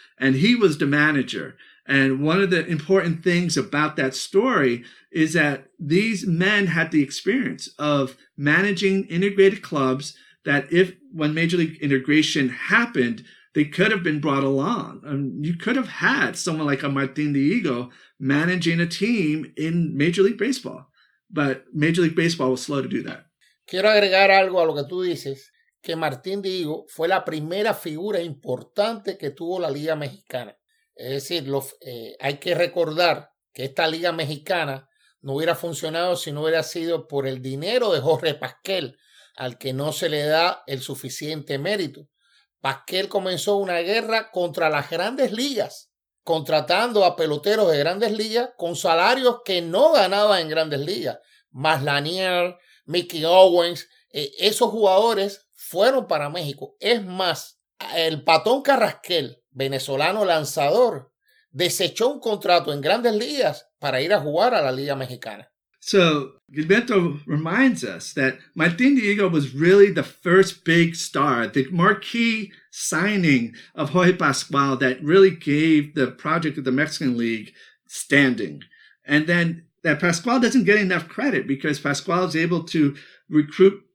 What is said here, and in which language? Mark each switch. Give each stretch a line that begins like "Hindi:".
English: And he was the manager. And one of the important things about that story is that these men had the experience of managing integrated clubs that when Major League integration happened, they could have been brought along. You could have had someone like a Martin de Higo managing a team in Major League Baseball. But Major League Baseball was slow to do that.
Spanish: Quiero agregar algo a lo que tú dices, que Martin de Higo fue la primera figura importante que tuvo la Liga Mexicana. Es decir, hay que recordar que esta Liga Mexicana no hubiera funcionado si no hubiera sido por el dinero de Jorge Pasquel, al que no se le da el suficiente mérito. Pasquel comenzó una guerra contra las grandes ligas, contratando a peloteros de grandes ligas con salarios que no ganaban en grandes ligas. Maslanier, Mickey Owens, esos jugadores fueron para México. Es más, el Patón Carrasquel, venezolano lanzador, desechó un contrato en grandes ligas para ir a jugar a la Liga Mexicana.
English: So Gilberto reminds us that Martin de Higo was really the first big star, the marquee signing of Jorge Pascual that really gave the project of the Mexican League standing. And then that Pascual doesn't get enough credit because Pascual is able to recruit